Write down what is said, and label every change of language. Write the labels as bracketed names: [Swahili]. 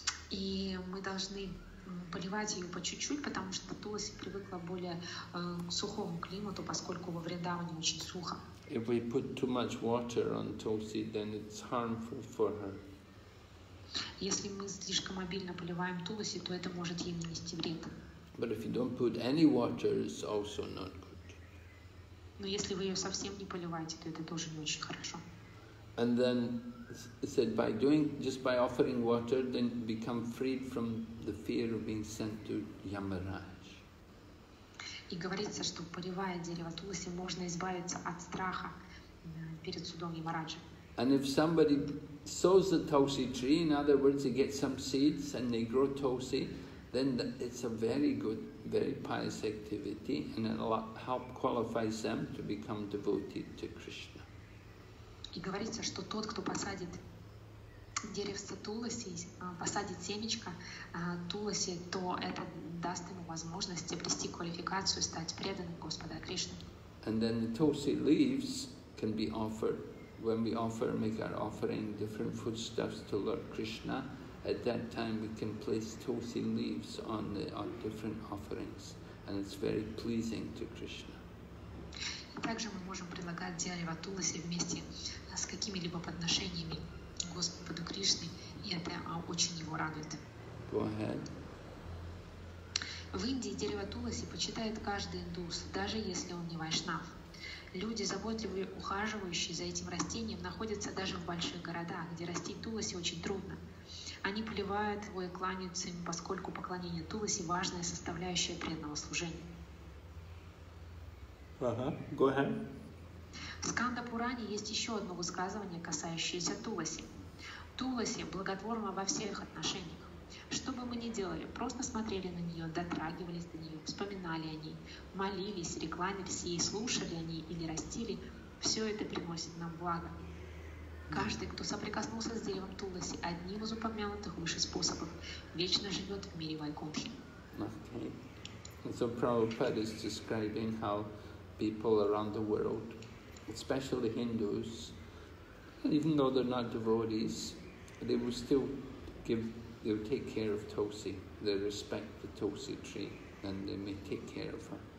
[Russian] И мы должны поливать ее по чуть-чуть, потому что Тулси привыкла более к сухому климату, поскольку во Вриндаване очень сухо. [English] If we put too much water on Tulsi, then it's harmful for her. [Russian] Если мы слишком обильно поливаем Туласи, то это может ей нанести вред. [English] But if you don't put any water, it's also not good. [Russian] Но если вы ее совсем не поливаете, то это тоже не очень хорошо. [English] And then it said by doing just by offering water, then become freed from the fear of being sent to Yamaraj. [Russian] И говорится, что поливая дерево Туласи, можно избавиться от страха перед судом Ямараджа. [English] And if somebody sows the Tulsi tree, in other words, they get some seeds and they grow Tulsi, then it's a very good, very pious activity, and it'll help qualifies them to become devoted to Krishna. [Russian] И говорится, что тот, кто посадит деревце Туласи, посадит семечко Туласи, то это даст ему возможность обрести квалификацию, стать преданным Господа Кришны. [English] And then the Tulsi leaves can be offered. When we offer, make our offering, different foodstuffs to Lord Krishna, at that time we can place Tulsi leaves on different offerings, and it's very pleasing to Krishna. [Russian] Также мы можем предлагать дерево Туласи вместе с какими-либо подношениями Господу Кришне, и это очень его радует. [English] Go ahead. [Russian] В Индии дерево Туласи почитает каждый индус, даже если он не вайшнав. Люди, заботливые, ухаживающие за этим растением, находятся даже в больших городах, где расти Туласи очень трудно. Они поливают его и кланяются им, поскольку поклонение Туласи – важная составляющая преданного служения. [English] Uh-huh. Go ahead. [Russian] В Сканда Пуране есть еще одно высказывание, касающееся Туласи. Туласи благотворна во всех отношениях. Что бы мы ни делали, просто смотрели на нее, дотрагивались до нее, вспоминали о ней, молились, рекламились ей, слушали о ней или растили, все это приносит нам благо. Каждый, кто соприкоснулся с деревом Туласи одним из упомянутых выше способов, вечно живет в мире Вайкунтхи. [English] Okay. So Prabhupada is describing how people around the world, especially Hindus, even though they're not devotees, they will still give, they will take care of Tulsi. They respect the Tulsi tree and they may take care of her.